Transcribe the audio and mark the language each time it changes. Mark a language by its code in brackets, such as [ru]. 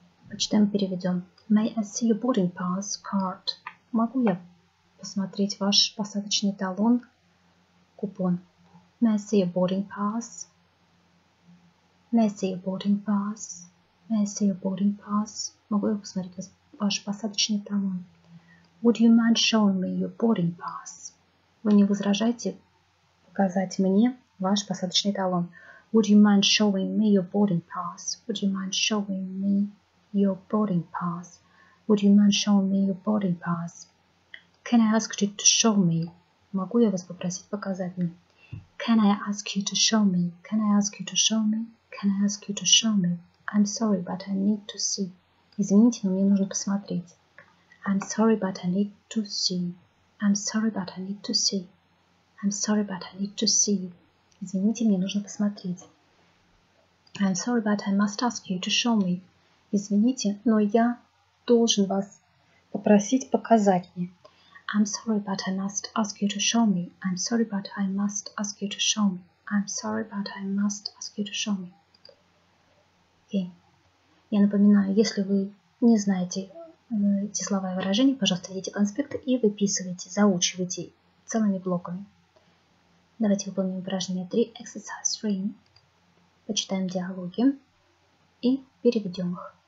[ru] Почитаем, переведем. [en] May I see your boarding pass card? [ru] Могу я посмотреть ваш посадочный талон, купон? [en] May I see your boarding pass? May I see your boarding pass? May I see your boarding pass? [ru] Могу я посмотреть ваш посадочный талон? [en] Would you mind showing me your boarding pass? [ru] Вы не возражаете показать мне ваш посадочный талон? [en] Would you mind showing me your boarding pass? Would you mind showing me your boarding pass? Would you mind showing me your boarding pass? Can I ask you to show me? [ru] Могу я вас попросить показать мне? [en] Can I ask you to show me? Can I ask you to show me? Can I ask you to show me? I'm sorry, but I need to see. [ru] Извините, но мне нужно посмотреть. [en] I'm sorry, but I need to see. I'm sorry, but I need to see. I'm sorry, but I need to see. [ru] Извините, мне нужно посмотреть. [en] I'm sorry, but I must ask you to show me. [ru] Извините, но я должен вас попросить показать мне. [en] I'm sorry, but I must ask you to show me. I'm sorry, but I must ask you to show me. I'm sorry, but I must ask you to show me. Окей. Okay. [ru] Я напоминаю, если вы не знаете эти слова и выражения, пожалуйста, идите конспект и выписывайте, заучивайте целыми блоками. Давайте выполним упражнение 3, exercise 3. Почитаем диалоги и переведем их.